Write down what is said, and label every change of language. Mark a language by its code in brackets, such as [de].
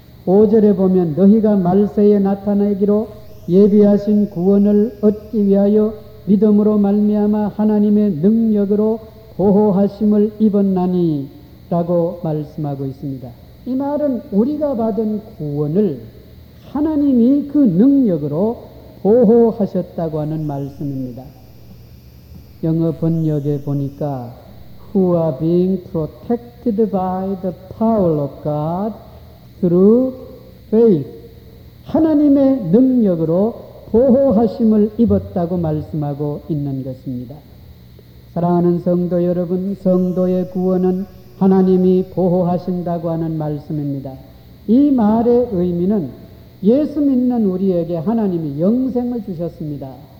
[ko] 5절에 보면 너희가 말세에 나타내기로 예비하신 구원을 얻기 위하여 믿음으로 말미암아 하나님의 능력으로 보호하심을 입었나니 라고 말씀하고 있습니다. 이 말은 우리가 받은 구원을 하나님이 그 능력으로 보호하셨다고 하는 말씀입니다. 영어 번역에 보니까 [en] Who are being protected by the power of God through faith. [ko] 하나님의 능력으로 보호하심을 입었다고 말씀하고 있는 것입니다. 사랑하는 성도 여러분, 성도의 구원은 하나님이 보호하신다고 하는 말씀입니다. 이 말의 의미는 예수 믿는 우리에게 하나님이 영생을 주셨습니다.